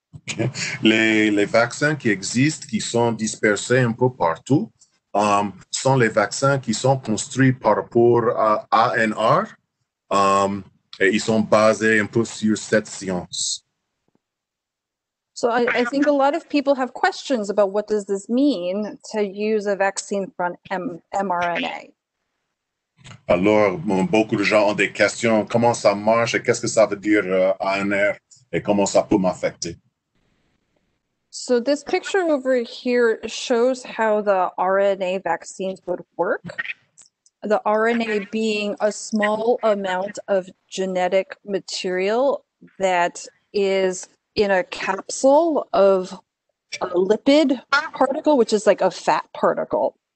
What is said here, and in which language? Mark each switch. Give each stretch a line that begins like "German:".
English: Okay.
French: Les vaccins qui existent, qui sont dispersés un peu partout, sont les vaccins qui sont construits par rapport à ANR, et ils sont basés un peu sur cette science.
English: So I think a lot of people have questions about what does this mean to use a vaccine from mRNA.
French: Alors, beaucoup de gens ont des questions. Comment ça marche et qu'est-ce que ça veut dire ANR et comment ça peut m'affecter?
English: So this picture over here shows how the RNA vaccines would work. The RNA being a small amount of genetic material that is in a capsule of a lipid particle, which is like a fat particle.